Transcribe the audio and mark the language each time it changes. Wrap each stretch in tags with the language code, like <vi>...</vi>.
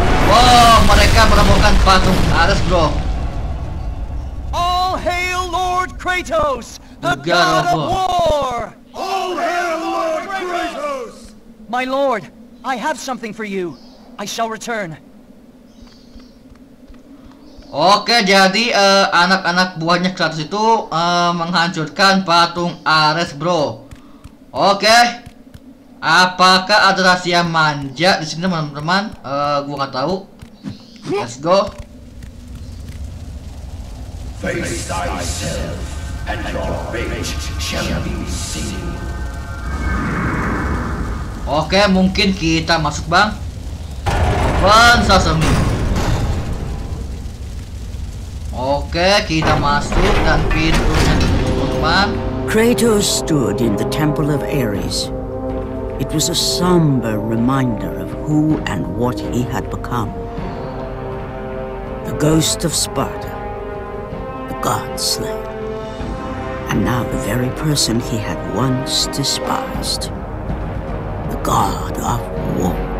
<id>Wow, mereka menemukan patung Ares, bro.</id> <en>All hail Lord Kratos, the god of war. All hail Lord Kratos. My lord, I have something for you. I shall return.</en> <id>Oke, jadi anak-anak buahnya Kratos itu menghancurkan patung Ares, bro. Oke. Apakah ada rahasia manja di sini, teman-teman? Gua enggak tahu.</id> <en>Let's go. Face thyself and your fate shall be seen.</en> <id>Oke, mungkin kita masuk, bang.</id> <en>Open sesame.</en> <id>Oke, kita masuk dan pintunya terbuka.</id> <en>Kratos stood in the Temple of Ares. It was a somber reminder of who and what he had become. The ghost of Sparta, the god slayer, and now the very person he had once despised, the god of war.</en>